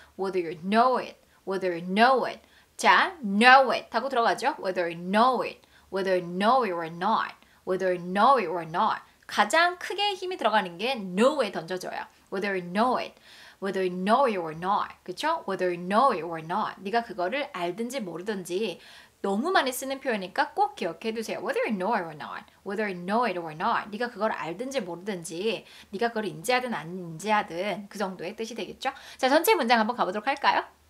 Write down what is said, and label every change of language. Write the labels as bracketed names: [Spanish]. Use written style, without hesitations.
[English] Whether you know it, whether you know it. [Korean] 자, [English] know it [Korean] 하고 들어가죠. [English] Whether you know it, whether you know it or not, whether you know it or not. [Korean] 가장 크게 힘이 들어가는 게 know에 던져져요. [English] Whether you know it, whether you know it or not, 그쵸? Whether you know it or not. [Korean] 네가 그거를 알든지 모르든지 너무 많이 쓰는 표현이니까 꼭 기억해 두세요. [English] Whether you know it or not. Whether you know it or not. [Korean] 네가 그걸 알든지 모르든지 네가 그걸 인지하든 안 인지하든 그 정도의 뜻이 되겠죠? 자, 전체 문장 한번 가보도록 할까요?